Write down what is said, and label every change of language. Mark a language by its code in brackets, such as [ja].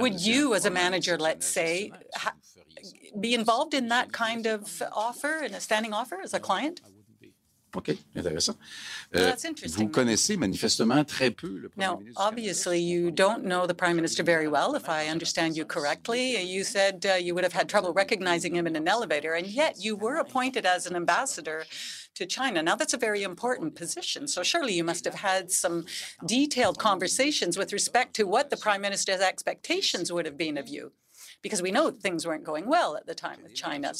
[en] Yes, would you, as a manager, let's say, be involved in that kind of offer, in a standing offer, as a client? [fr] OK, intéressant. [en] That's interesting. [fr] Vous connaissez manifestement très peu le Premier ministre. [en] Now, obviously, you don't know the Prime Minister very well, if I understand you correctly. You said you would have had trouble recognizing him in an elevator, and yet you were appointed as an ambassador to China. Now, that's a very important position, so surely you must have had some detailed conversations with respect to what the Prime Minister's expectations would have been of you, because we know things weren't going well at the time with China.